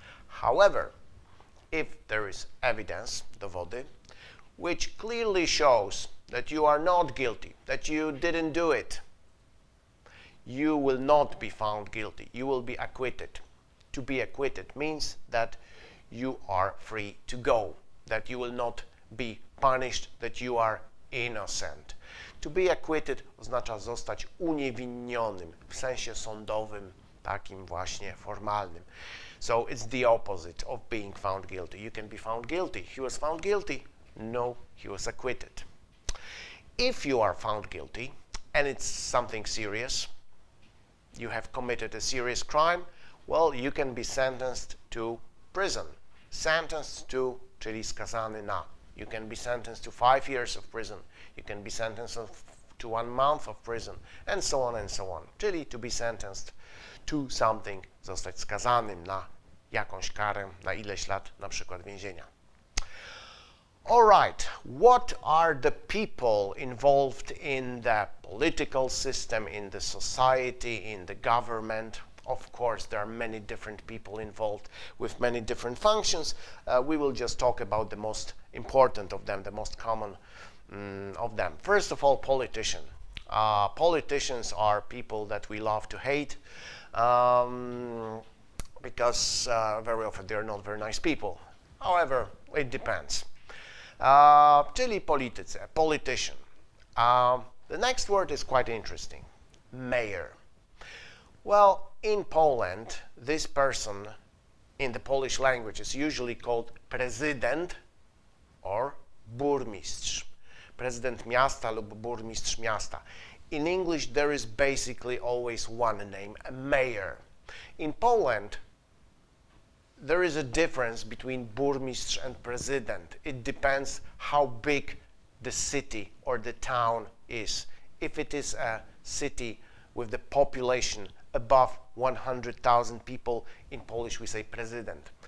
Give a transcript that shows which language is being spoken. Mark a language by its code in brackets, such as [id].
[en] However, if there is evidence, dowody, which clearly shows that you are not guilty, that you didn't do it, you will not be found guilty. You will be acquitted. To be acquitted means that you are free to go, that you will not be punished, that you are innocent. To be acquitted [pl] oznacza zostać uniewinnionym, w sensie sądowym, takim właśnie formalnym. [en] So it's the opposite of being found guilty. You can be found guilty. He was found guilty. No, he was acquitted. If you are found guilty and it's something serious, you have committed a serious crime, well, you can be sentenced to prison. Sentenced to, [pl] czyli skazany na. [en] You can be sentenced to 5 years of prison. You can be sentenced to 1 month of prison, and so on and so on. [pl] Czyli [en] to be sentenced to something, [pl] zostać skazanym na jakąś karę, na ileś lat, na przykład więzienia. [en] All right, what are the people involved in the political system, in the society, in the government? Of course, there are many different people involved with many different functions. We will just talk about the most important of them, the most common of them. First of all, politician. Politicians are people that we love to hate, because very often they're not very nice people. However, it depends. [pl] Czyli politycy, [en] politician. The next word is quite interesting, mayor. Well, in Poland, this person in the Polish language is usually called prezydent or burmistrz. [pl] Prezydent miasta lub burmistrz miasta. [en] In English, there is basically always one name, a mayor. In Poland, there is a difference between burmistrz and president. It depends how big the city or the town is. If it is a city with the population above 100,000 people, in Polish we say president.